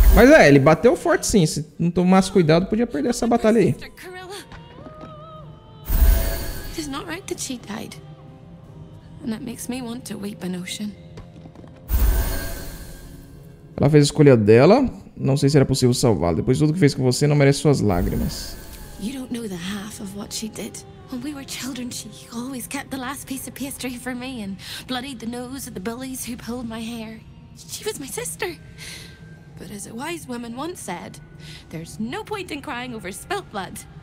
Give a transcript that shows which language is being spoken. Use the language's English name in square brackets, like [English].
[Portuguese] Mas é, ele bateu forte sim. Se não tomasse cuidado, podia perder essa batalha aí. [English] It is not right that she died. And that makes me want to weep an ocean. [Portuguese] Ela fez a escolha dela. Não sei se era possível salvá-la. Depois de tudo que fez com você, não merece suas lágrimas. [English] You don't know the half of what she did. When we were children, she always kept the last piece of pastry for me and bloodied the nose of the bullies who pulled my hair. She was my sister. But as a wise woman once said, there's no point in crying over spilt blood.